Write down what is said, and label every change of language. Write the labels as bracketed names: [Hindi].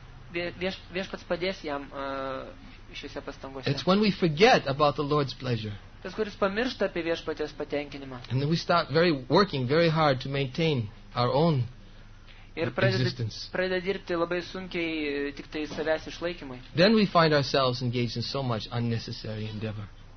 [Lithuanian] Viešpats padės jam šiose pastangose. [English] It's when we forget about the Lord's pleasure. [Lithuanian] Tas, kuris pamiršta apie viešpaties patenkinimą. [English] And then we start very working very hard to maintain our own existence. [Lithuanian] Ir pradeda dirbti labai sunkiai tik tai savęs išlaikymui. [English] Then we find ourselves engaged in so much unnecessary endeavor.